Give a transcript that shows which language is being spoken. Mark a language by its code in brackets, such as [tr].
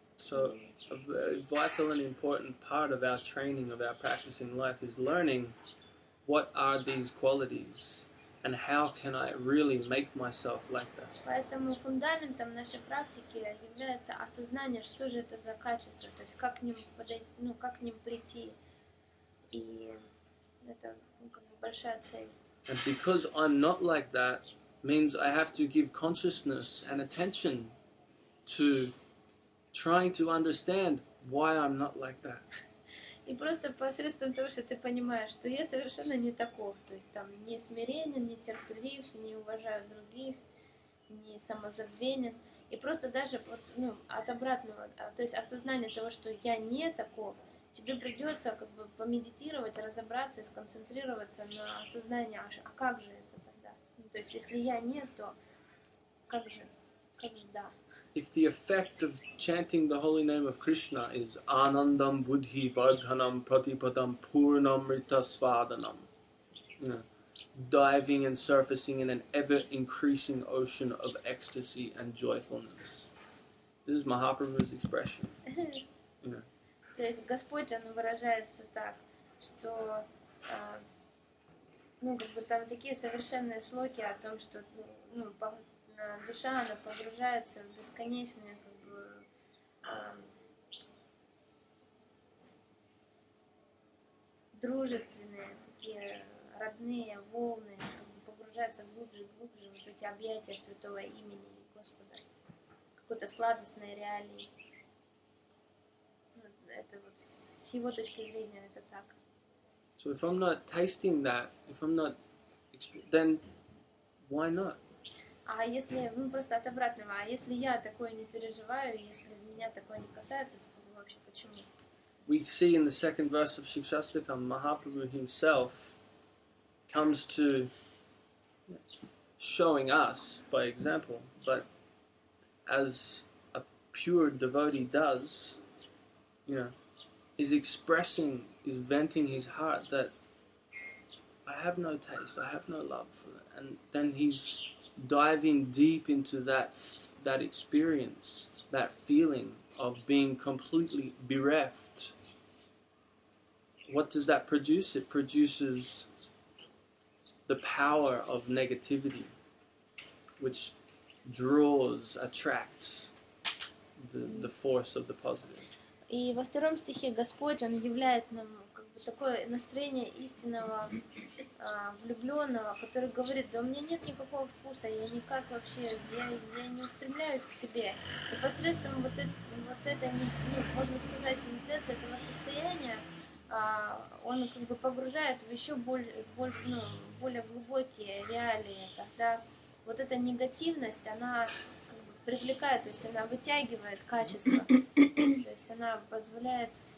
[en] So, a vital and important part of our training, of our practice in life is learning what are these qualities. And how can I really make myself like that? [ru] Поэтому фундаментом нашей практики является осознание, что же это за качество, то есть как к ним подойти, ну, как к ним прийти. И это, ну, как бы большая цель. [en] And because I'm not like that means I have to give consciousness and attention to trying to understand why I'm not like that. [ru] И просто посредством того, что ты понимаешь, что я совершенно не таков, то есть там не смиренен, не терпелив, не уважаю других, не самозабвенен. И просто даже вот, ну, от обратного, то есть осознание того, что я не таков, тебе придется как бы помедитировать, разобраться и сконцентрироваться на осознании, а как же это тогда? Ну, то есть если я не, то как же? Как же да? [en] If the effect of chanting the holy name of Krishna is [sa] Anandam Buddhi Vardhanam Pratipadam Purnam Ritasvadanam, [en] you know, diving and surfacing in an ever increasing ocean of ecstasy and joyfulness. This is Mahaprabhu's expression. [ru] То есть Господь, он выражается так, что, ну, как бы там такие совершенные шлоки о том, что, ну, душа, она погружается в бесконечное, как бы, дружественные, такие родные волны, как бы погружаются глубже и глубже вот эти объятия святого имени Господа, какой-то сладостной реалии. Это вот с его точки зрения это так. [en] So if I'm not tasting that, if I'm not, then why not? [ru] А если, ну, просто от обратного, а если я такое не переживаю, если меня такое не касается, то вообще почему? [en] We see in the second verse of Shikshastakam, Mahaprabhu himself comes to showing us by example, but as a pure devotee does, you know, is expressing, is venting his heart that I have no taste, I have no love for it. And then he's diving deep into that experience, that feeling of being completely bereft. What does that produce? It produces the power of negativity, which draws, attracts the force of the positive. [ru] И во втором стихе Господь, он являет нам как бы такое настроение истинного влюбленного, который говорит, да у меня нет никакого вкуса, я никак вообще, я не устремляюсь к тебе. И посредством вот этой, ну, можно сказать, медитации, этого состояния, он как бы погружает в еще более глубокие реалии, когда вот эта негативность, она как бы привлекает, то есть она вытягивает качество, то есть она позволяет...